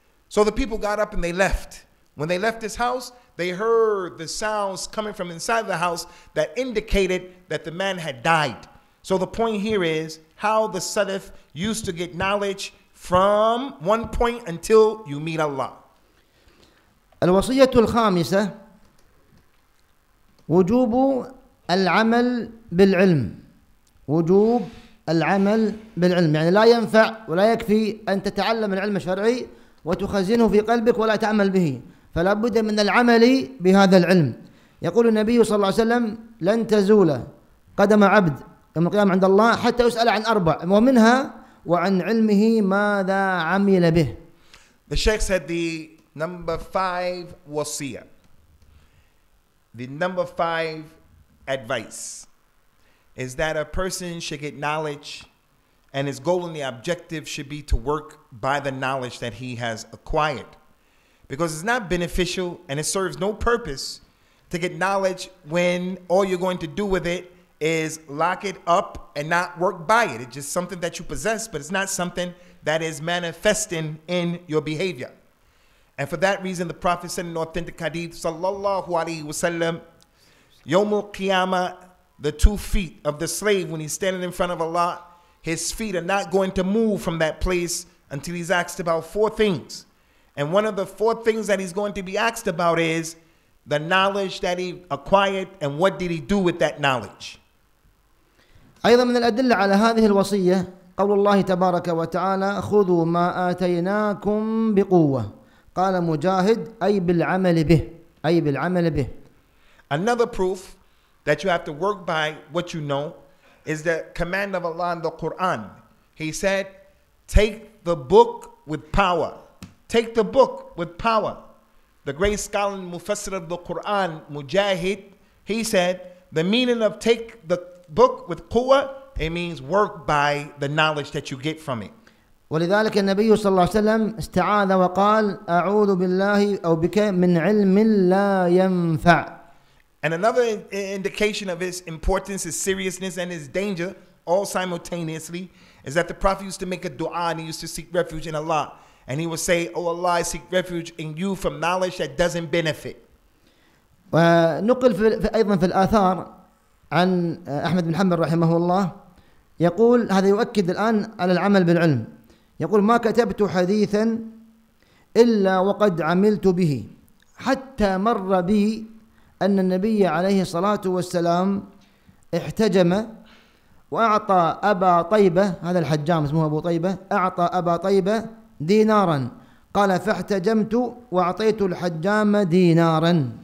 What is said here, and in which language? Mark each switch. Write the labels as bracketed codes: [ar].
[en] So the people got up and they left. When they left his house, they heard the sounds coming from inside the house that indicated that the man had died. So the point here is how the Salaf used to get knowledge from one point until you meet Allah. [ar] الوصية الخامسة وجوب العمل بالعلم. وجوب العمل بالعلم يعني لا ينفع ولا يكفي أن تتعلم العلم الشرعي وتخزنه في قلبك ولا تعمل به، فلا بد من العمل بهذا العلم. يقول النبي صلى الله عليه وسلم لن تزول قدم عبد يوم القيامة عند الله حتى يسأل عن أربع، ومنها وعن علمه ماذا عمل به. [en] The Sheikh said the number five wasiyah, the number five advice is that a person should get knowledge and his goal and the objective should be to work by the knowledge that he has acquired. Because it's not beneficial and it serves no purpose to get knowledge when all you're going to do with it is lock it up and not work by it. It's just something that you possess, but it's not something that is manifesting in your behavior. And for that reason, the Prophet said in an authentic hadith, sallallahu alayhi wa sallam, yawm al-qiyamah, the 2 feet of the slave when he's standing in front of Allah, his feet are not going to move from that place until he's asked about 4 things. And one of the 4 things that he's going to be asked about is the knowledge that he acquired and what did he do with that knowledge. [ar] أيضا من الأدلة على هذه الوصية قول الله تبارك وتعالى خذوا ما آتيناكم بقوة قال مجاهد أي بالعمل به أي بالعمل به. [en] Another proof that you have to work by what you know is the command of Allah in the Quran. He said, take the book with power. Take the book with power. The great scholar Mufassir of the Quran, Mujahid, he said, the meaning of take the book with quwwah, it means work by the knowledge that you get from it. [ar] ولذلك النبي صلى الله عليه وسلم استعاذ وقال أعوذ بالله أو بك من علم لا ينفع. [en] And another indication of its importance, its seriousness and its danger all simultaneously is that the Prophet used to make a dua and he used to seek refuge in Allah. And he would say, oh Allah, I seek refuge in you from knowledge that doesn't benefit. [ar] ونقل في أيضا في الآثار عن أحمد بن حنبل رحمه الله يقول هذا يؤكد الآن على العمل بالعلم. يقول ما كتبت حديثا إلا وقد عملت به حتى مر بي أن النبي عليه الصلاة والسلام احتجم وأعطى أبا طيبة هذا الحجام اسمه أبو طيبة أعطى أبا طيبة دينارا قال فاحتجمت وأعطيت الحجام دينارا.